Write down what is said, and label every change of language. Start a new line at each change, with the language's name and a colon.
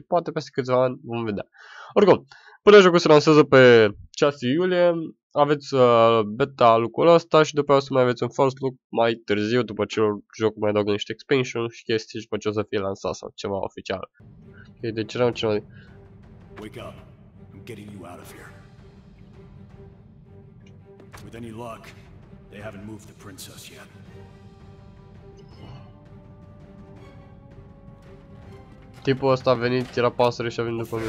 Romanian: Poate peste câțiva ani vom vedea. Oricum, până jocul se lansează pe 6 iulie, aveți beta look-ul ăsta și după aceea o să mai aveți un first look mai târziu, după ce jocul mai adaugă niște expansion și chestii și după ce o să fie lansat sau ceva oficial. Ok, deci eram cineva...
English: Wake up. I'm getting you out of here. With any luck, they haven't moved the princess yet.
Romanian: Tipul ăsta a venit, era pasăre și a venit după mine.